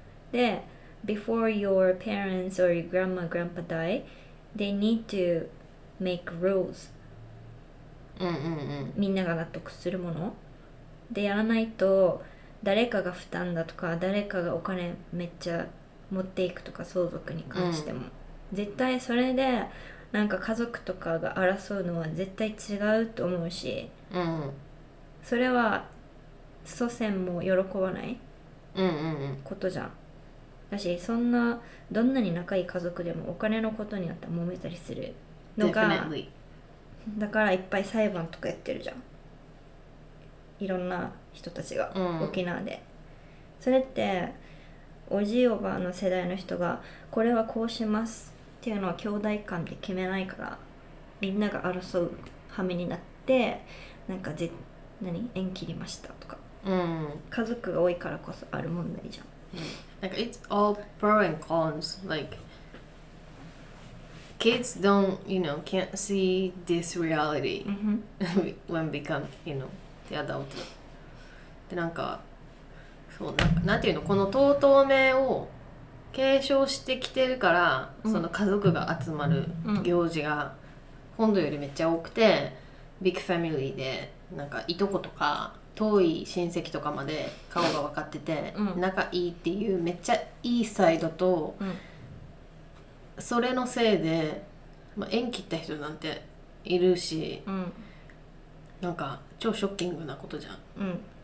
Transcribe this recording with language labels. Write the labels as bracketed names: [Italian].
[English] That before your parents or your grandma, grandpa die, they need to make rules. [Japanese] みんなが納得するもの。でやらないと誰かが負担だとか誰かがお金めっちゃ持っていくとか相続に関しても、絶対それでなんか家族とかが争うのは絶対違うと思うし、それは祖先も喜ばないことじゃん、だしそんなどんなに仲いい家族でもお金のことになったら揉めたりするのが、だからいっぱい裁判とかやってるじゃん、いろんな人たちが、沖縄で。それっておじいおばあの世代の人がこれはこうしますっていうのは兄弟間で決めないから、みんなが争う羽目になって、なんか縁切りましたとか、家族が多いからこそある問題じゃん。 [English] なんか it's all pros and cons. Like kids don't, you know, can't see this reality when become, you know, the adult. [Japanese] でなんか、そう、なんていうの、このトートーメーを継承してきてるから、その家族が集まる行事が本土よりめっちゃ多くて、 [English] big family [Japanese] でなんかいとことか。遠い親戚とかまで顔が分かってて仲いいっていうめっちゃいいサイドと、それのせいで縁切った人なんているし、なんか超ショッキングなことじゃん。